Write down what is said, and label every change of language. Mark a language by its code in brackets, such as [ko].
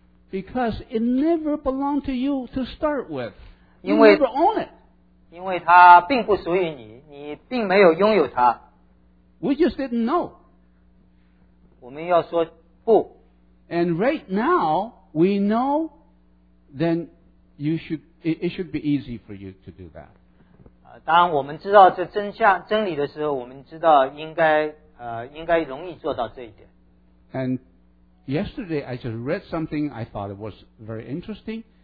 [en] Because it never belonged to you to start with. [zh] 因为 [en] you never own it. [zh] 因为它并不属于你，你并没有拥有它。 [en] We just didn't know. [zh] 我们要说不。 [en] And right now, we know, then it should be easy for you to do that. [zh] 当我们知道这真相真理的时候，我们知道应该容易做到这一点。 [en] And yesterday I just read something I thought it was very interesting.